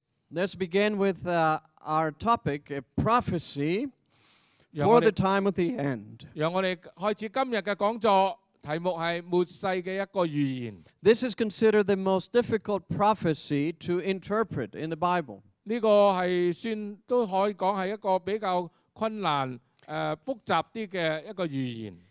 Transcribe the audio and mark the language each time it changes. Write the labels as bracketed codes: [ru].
[en] Let's begin with our topic, a prophecy for the time of the end. [zh] 讓我們開始今天的講座，題目是末世的一個預言。 [en] This is considered the most difficult prophecy to interpret in the Bible. [zh] 這個是算都可以講是一個比較困難複雜的一個預言。